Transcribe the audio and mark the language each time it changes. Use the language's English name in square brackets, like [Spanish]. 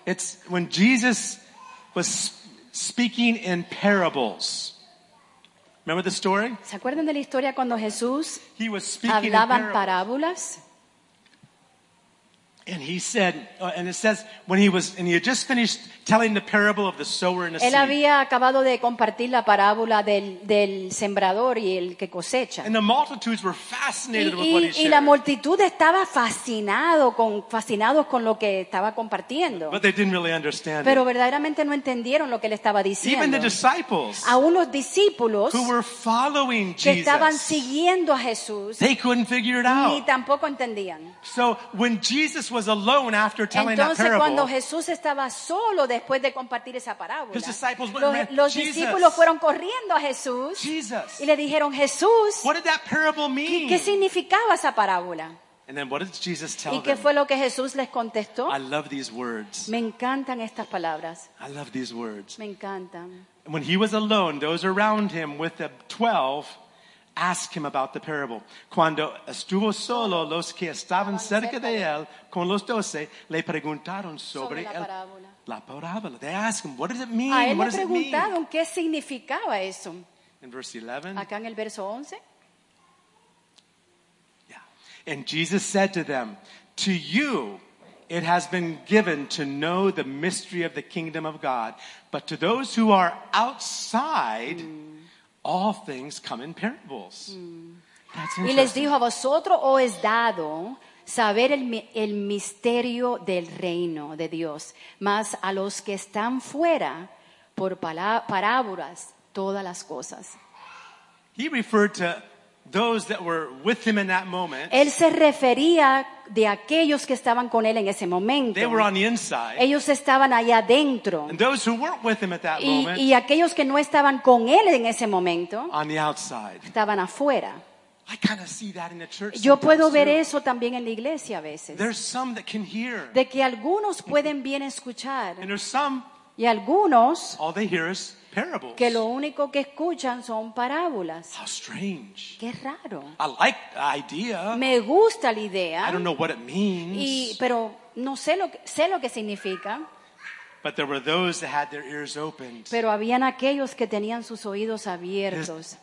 [English] It's when Jesus was speaking in parables. Remember the story? [Spanish] ¿Se acuerdan de la historia cuando Jesús hablaba en parábolas? [English] And he said, and it says when he was, and he had just finished telling the parable of the sower and the seed. [Spanish] Él había acabado de compartir la parábola del sembrador y el que cosecha. [English] And the multitudes were fascinated with what he said. [Spanish] Y la multitud estaba fascinados con lo que estaba compartiendo. [English] But they didn't really understand. [Spanish] Pero verdaderamente no entendieron lo que él estaba diciendo. [English] Even the disciples. [Spanish] Aún los discípulos. [English] Who were following Jesus. [Spanish] Que estaban siguiendo a Jesús. [English] They couldn't figure it out. [Spanish] Ni tampoco entendían. [English] So when Jesus was alone after telling [Spanish] Entonces, [English] that parable. [Spanish] Cuando Jesús estaba solo después de compartir esa parábola, [English] his disciples went [Spanish] los discípulos [English] Jesus. [Spanish] Fueron corriendo a Jesús [English] Jesus. [Spanish] Y le dijeron, Jesús, [English] what did that parable mean? [Spanish] ¿Qué significaba esa parábola? [English] And then what did Jesus tell [Spanish] ¿Y qué [English] them? [Spanish] Fue lo que Jesús les contestó? [English] I love these words. [Spanish] Me encantan estas palabras. [English] I love these words. [Spanish] Me encantan. [English] When he was alone, those around him with the 12 Ask him about the parable. [Spanish] Cuando estuvo solo, los que estaban cerca de él, con los doce, le preguntaron sobre la parábola. La parábola. [English] They ask him, what does it mean? [Spanish] A él [English] what [Spanish] le preguntaron, [English] mean? [Spanish] ¿Qué significaba eso? [English] In verse 11. [Spanish] Acá en el verso 11. [English] Yeah. And Jesus said to them, to you it has been given to know the mystery of the kingdom of God, but to those who are outside... All things come in parables. That's [Spanish] y les dijo a vosotros os es dado saber el misterio del reino de Dios, mas a los que están fuera por parábolas todas las cosas. [English] He referred to those that were with him in that moment. [Spanish] Él se refería de aquellos que estaban con él en ese momento. [English] They were on the inside. [Spanish] Ellos estaban allá adentro. [English] And those who weren't with him at that moment. [Spanish] Y aquellos que no estaban con él en ese momento. [English] On the outside. [Spanish] Estaban afuera. [English] I kind of see that in the church. [Spanish] Yo puedo ver [English] too. [Spanish] Eso también en la iglesia a veces. [English] There's some that can hear. [Spanish] De que algunos pueden bien escuchar. [English] And there's some. [Spanish] Y algunos. [English] All they hear is parables. [Spanish] Que lo único que escuchan son parábolas. [English] How strange. [Spanish] Qué raro. [English] I like the idea. [Spanish] Me gusta la idea. [English] I don't know what it means. [Spanish] Y, pero no sé lo que significa. [English] But there were those that had their ears opened. [Spanish] Pero habían aquellos que tenían sus oídos abiertos.